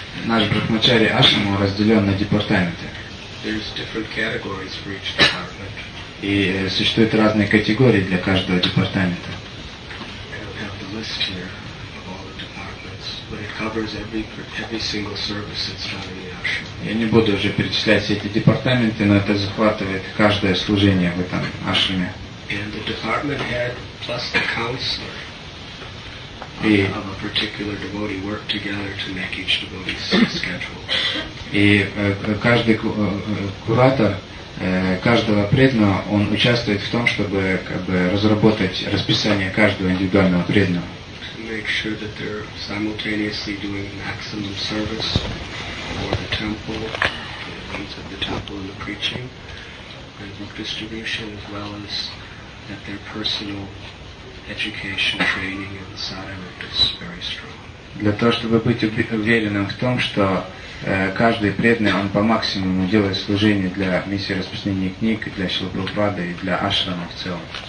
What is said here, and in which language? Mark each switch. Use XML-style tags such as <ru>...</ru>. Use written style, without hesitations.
<ru>Наш Брахмачари ашрам разделен на департаменты.</ru> <en>There's different categories for each department.</en> <ru>И существуют разные категории для каждого департамента.</ru> <en>List here of all the departments, but it covers every single service that's done in the ashram.</en> <ru>Я не буду уже перечислять все эти департаменты, но это захватывает каждое служение в этом ашраме.</ru> <en>And the department head plus the counselor of a particular devotee work together to make each devotee's schedule.</en> <ru>И каждый куратор каждого преданного, он участвует в том, чтобы как бы разработать расписание каждого индивидуального преданного.</ru> <en>To make sure that they're simultaneously doing maximum service for the temple, the needs of the temple and the preaching, and book distribution, as well as that their personal education, training and sadhana is very strong.</en> <ru>Для того, чтобы быть уверенным в том, что каждый преданный, он по максимуму делает служение для миссии распространения книг, для Шрилы Прабхупады и для ашрама в целом.</ru>